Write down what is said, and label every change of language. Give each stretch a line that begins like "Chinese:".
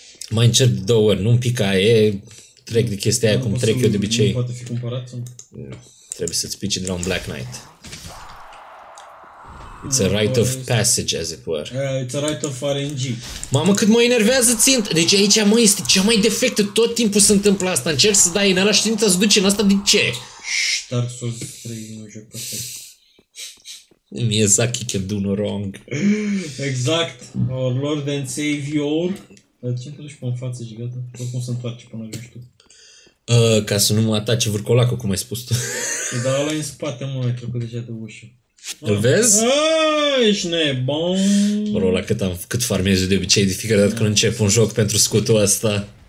Romanian: Mai încerc două ori, nu-mi pica aia, trec de chestia aia, da, cum trec eu de obicei. Nu poate fi cumpărat? Sau? Nu. Trebuie să-ți pici de la un Black Knight.
English: It's a rite of passage, as it were. It's a rite of RNG.
Romanian: Mamă, cât mă enervează țintă! Deci aici, mă, este cea mai defectă. Tot timpul se întâmplă asta. Încerci să dai în ăla și țintă să duce în asta, de ce? Dark Souls 3 nu joc perfect.
English: Miyazaki can do no wrong. Exact. Our Lord and Savior.
Romanian: Țintă-l și pe-n față și gata. Oricum se întoarce până ajungi tu. Ca să nu mă atace vârcolacul, cum ai spus tu. Dar ăla-i în spate, mă, ai trecut deja de ușă. Îl vezi? Aaaa, ești nebun! Bro, la cât, cât farmez de obicei de fiecare dată când încep un joc pentru scutul ăsta.